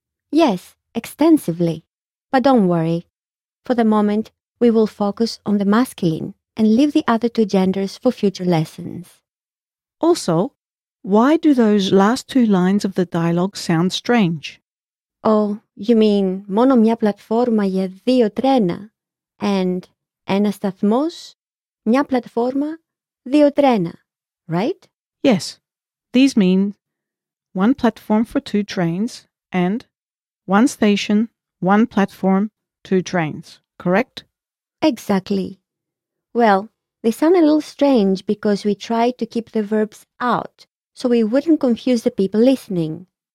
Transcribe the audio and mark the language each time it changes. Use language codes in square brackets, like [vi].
[en] Yes, extensively. But don't worry. For the moment, we will focus on the masculine and leave the other two genders for future lessons. Also, why do those last two lines of the dialogue sound strange? Oh, you mean [el] μόνο μια πλατφόρμα για δύο τρένα [en] and [el] ένα σταθμός, μια πλατφόρμα, δύο τρένα, [en] right? Yes, these mean one platform for two trains and one station, one platform, two trains, correct? Exactly. Well, they sound a little strange because we tried to keep the verbs out so we wouldn't confuse the people listening.